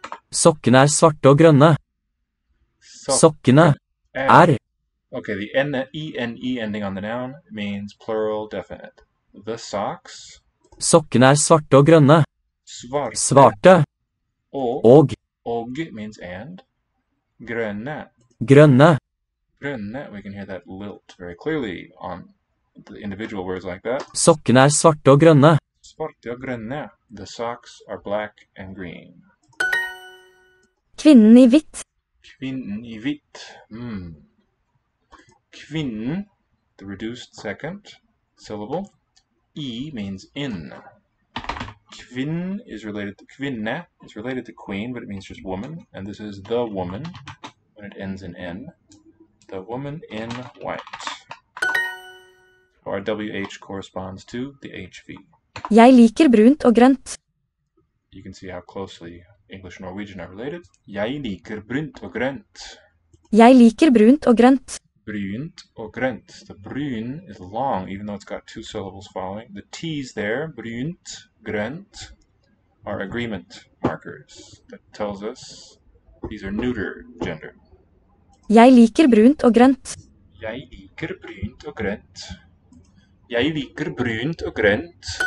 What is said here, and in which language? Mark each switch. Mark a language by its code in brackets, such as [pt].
[no] Sokkene svarte og grønne. Sokkene [en] Okay, the E-N-E ending on the noun means plural definite. The socks. [no] Sokken svarte og grønne. Svarte. Svarte. [en] Og. Og means and. Grønne. [no] Grønne. Grønne. [en] We can hear that lilt very clearly on the individual words like that. [no] Sokken svarte og grønne. [en] Svarte og grønne. The socks are black and green. [no] Kvinnen i hvitt. Kvinnen i hvitt. [en] Kvinnen, the reduced second syllable. I means in. Kvinne is related to queen, but it means just woman. And this is the woman when it ends in N. The woman in white. Our WH corresponds to the HV. [no] Jeg liker brunt og grønt. [en] You can see how closely English and Norwegian are related. [no] Jeg liker brunt og grønt. Jeg liker brunt og grønt. Brunt og grønt. [en] The brun is long, even though it's got two syllables following. The T's there, brunt, grønt, are agreement markers that tells us these are neuter gender. [no] Jeg liker brunt og grønt. Jeg liker brunt og grønt. Jeg liker brunt og grønt.